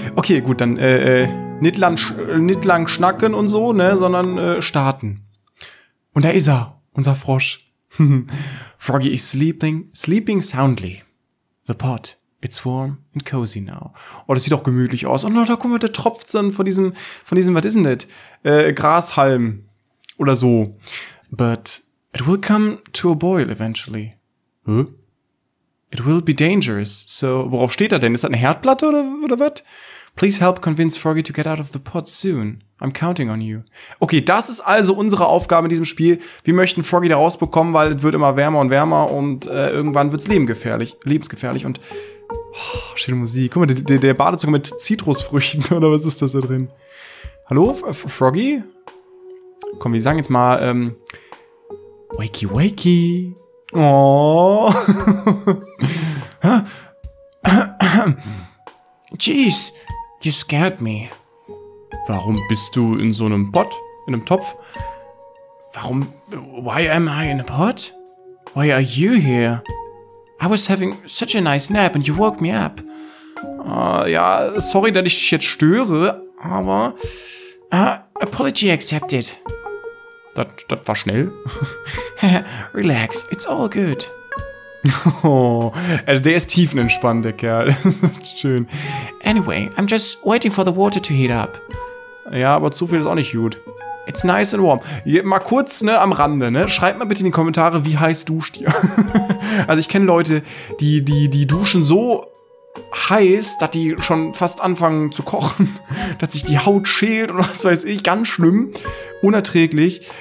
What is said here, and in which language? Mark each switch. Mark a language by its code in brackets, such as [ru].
[de] Okay, gut, dann nicht lang schnacken und so, ne, sondern starten. Und da ist er, unser Frosch. [en] Froggy is sleeping soundly. The pot, it's warm and cozy now. [de] Oh, das sieht doch gemütlich aus. Oh, da guck mal, der tropft dann von diesem, was ist denn das? Grashalm oder so. [en] But it will come to a boil eventually. Huh? It will be dangerous. [de] So, worauf steht er denn? Ist das eine Herdplatte oder was? [en] Please help convince Froggy to get out of the pot soon. I'm counting on you. [de] Okay, das ist also unsere Aufgabe in diesem Spiel. Wir möchten Froggy da rausbekommen, weil es wird immer wärmer und wärmer und irgendwann wird es lebensgefährlich und oh, schöne Musik. Guck mal, der Badezug mit Zitrusfrüchten oder was ist das da drin? Hallo, Froggy? Komm, wir sagen jetzt mal [en] Wakey Wakey. Oh. Jeez. You scared me. [de] Warum bist du in so einem Pot? In einem Topf? Warum? [en] Why am I in a pot? Why are you here? I was having such a nice nap and you woke me up. [de] Ja, sorry, dass ich dich jetzt störe, aber... [en] Apology accepted. [de] Das war schnell. [en] Relax, it's all good. [de] Oh, der ist tiefenentspannt, der Kerl. Schön. [en] Anyway, I'm just waiting for the water to heat up. [de] Ja, aber zu viel ist auch nicht gut. [en] It's nice and warm. [de] Hier, mal kurz, ne, am Rande, ne? Schreibt mal bitte in die Kommentare, wie heiß duscht ihr? Also ich kenne Leute, die duschen so heiß, dass die schon fast anfangen zu kochen. Dass sich die Haut schält und was weiß ich. Ganz schlimm. Unerträglich.